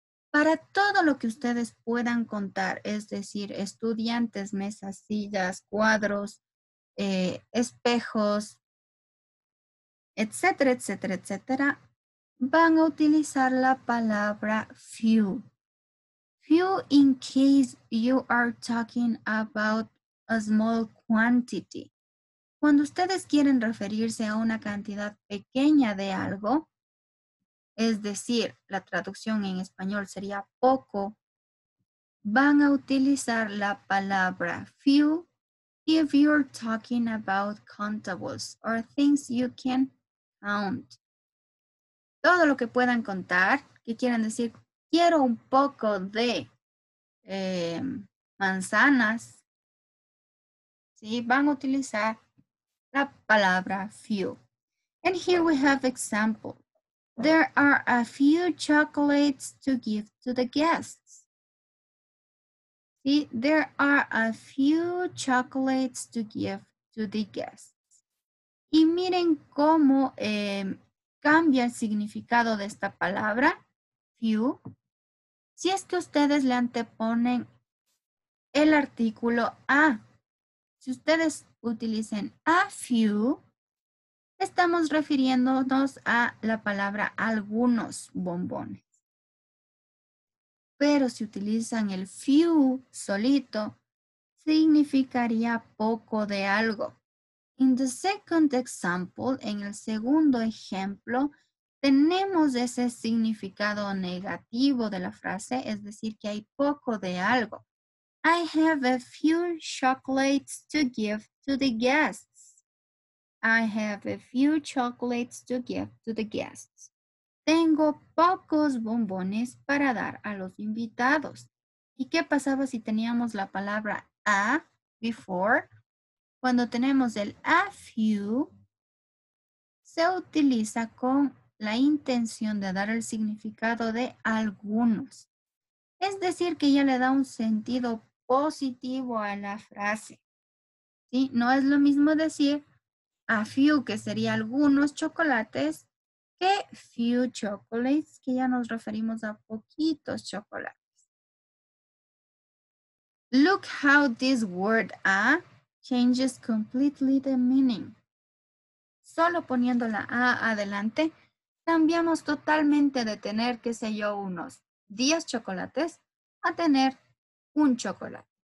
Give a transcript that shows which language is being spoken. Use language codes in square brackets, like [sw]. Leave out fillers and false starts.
[es] Para todo lo que ustedes puedan contar, es decir, estudiantes, mesas, sillas, cuadros, espejos, etcétera, etcétera, etcétera, van a utilizar la palabra few. [en] Few in case you are talking about a small quantity. [es] Cuando ustedes quieren referirse a una cantidad pequeña de algo, es decir, la traducción en español sería poco, van a utilizar la palabra few [en] if you're talking about countables or things you can count. [es] Todo lo que puedan contar, que quieran decir, quiero un poco de manzanas, ¿sí? Van a utilizar la palabra few. [en] And here we have example. There are a few chocolates to give to the guests. [es] ¿Sí? [en] There are a few chocolates to give to the guests. [es] Y miren cómo cambia el significado de esta palabra, few, si es que ustedes le anteponen el artículo a. Si ustedes utilicen a few, estamos refiriéndonos a la palabra algunos bombones. Pero si utilizan el few solito, significaría poco de algo. [en] In the second example, [es] en el segundo ejemplo, tenemos ese significado negativo de la frase, es decir, que hay poco de algo. [en] I have a few chocolates to give to the guests. I have a few chocolates to give to the guests. [es] Tengo pocos bombones para dar a los invitados. ¿Y qué pasaba si teníamos la palabra a before? Cuando tenemos el a few, se utiliza con la intención de dar el significado de algunos. Es decir, que ya le da un sentido positivo a la frase. ¿Sí? No es lo mismo decir a few, que sería algunos chocolates, que few chocolates, que ya nos referimos a poquitos chocolates. [en] Look how this word a changes completely the meaning. [es] Solo poniendo la A adelante, cambiamos totalmente de tener, qué sé yo, unos 10 chocolates a tener un chocolate.